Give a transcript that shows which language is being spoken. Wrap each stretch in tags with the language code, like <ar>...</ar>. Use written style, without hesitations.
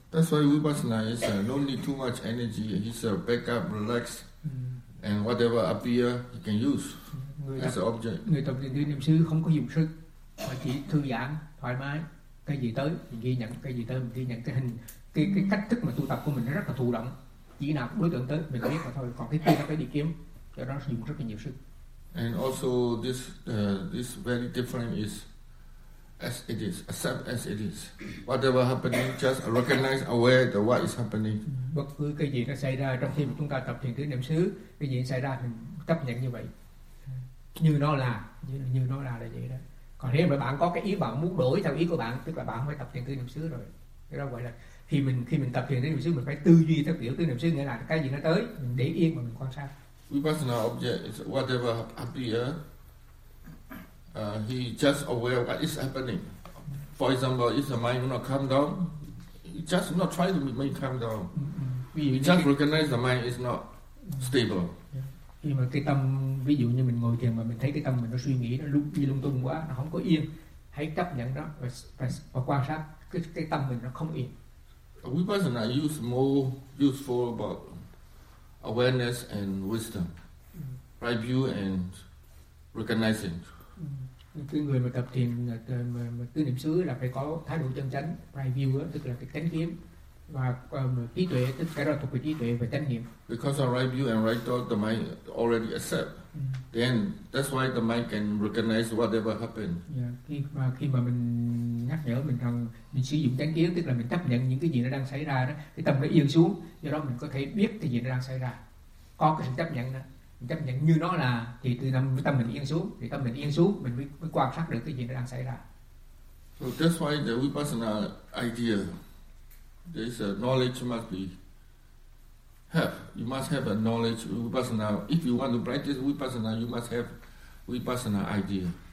<en>That's why Vipassana is no need too much energy. He's a backup, relax, and whatever appear, he can use as an object.</en> <vi>Người tập thiền tứ niệm xứ không có dùng sức, mà chỉ thư giãn, thoải mái. Cái gì tới mình ghi nhận, cái gì tới mình ghi nhận, cái hình cái cách thức mà tu tập của mình nó rất là thụ động, chỉ nào đối tượng tới mình biết mà thôi. Còn cái kia nó phải đi kiếm, cho nó dùng rất là nhiều sức.</vi> <en>And also this this very different is as it is, accept as it is, whatever happening just recognize aware the what is happening.</en> <vi>Bất cứ cái gì nó xảy ra, trong khi mà chúng ta tập thiền tứ niệm xứ, cái gì xảy ra mình chấp nhận như vậy, như nó là là vậy đó. Còn nếu mà bạn có cái ý bạn muốn đổi theo ý của bạn, tức là bạn phải tập thiền tứ niệm xứ rồi. Cái đó gọi là khi mình tập thiền tứ niệm xứ, mình phải tư duy theo kiểu tứ niệm xứ, nghĩa là cái gì nó tới mình để yên mà mình quan sát.</vi> <en>Vipassana object is whatever appear, he just aware what is happening. For example, if the mind not calm down, he just not try to make calm down. He just recognize the mind is not stable.</en> <vi>Khi mà cái tâm, ví dụ như mình ngồi thiền mà mình thấy cái tâm mình nó suy nghĩ, nó lúc đi lung tung quá, nó không có yên, hãy chấp nhận đó và quan sát cái tâm mình nó không yên.</vi> <en>Vipassana use more useful about awareness and wisdom, right view and recognizing.</en> <vi>Cái người mà tập thiền tứ niệm xứ là phải có thái độ chân chánh,</vi> <en>right view,</en> <vi>tức là cái chánh kiến, trí tuệ, tức cái đó thuộc về trí tuệ và chánh niệm.</vi> <en>Because of right view and right thought, the mind already accept. Then that's why the mind can recognize whatever happened.</en> <vi>Yeah, khi mà mình nhắc nhở mình rằng mình sử dụng chánh kiến, tức là mình chấp nhận những cái gì nó đang xảy ra đó, cái tâm nó yên xuống, do đó mình có thể biết cái gì nó đang xảy ra. Có cái sự chấp nhận đó, mình chấp nhận như nó là, thì từ tâm tâm mình yên xuống, thì tâm mình yên xuống, mình mới quan sát được cái gì nó đang xảy ra.</vi> <en>So that's why the vipassana idea, there is a knowledge must be. You must have a knowledge of vipassana. If you want to practice vipassana, you must have vipassana idea.</en>